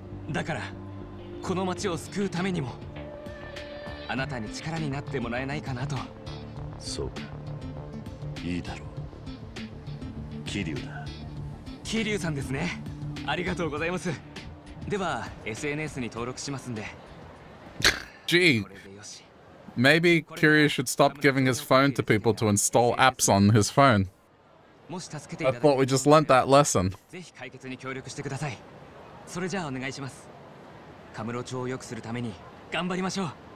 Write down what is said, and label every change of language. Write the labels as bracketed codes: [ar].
[ja] だからこの街を救うためにもあなたに力になってもらえないかなと。そうか、いいだろう。キリュウだ。キリュウさんですね。ありがとうございます。では SNS に登録しますんで。 [en] Gee, maybe Kiryu should stop giving his phone to people to install apps on his phone. [ja] もし助けていただけ。 [en] I thought we just learned that lesson. [ja] ぜひ解決に協力してください。それじゃあお願いします。カムロ町を良くするために頑張りましょう。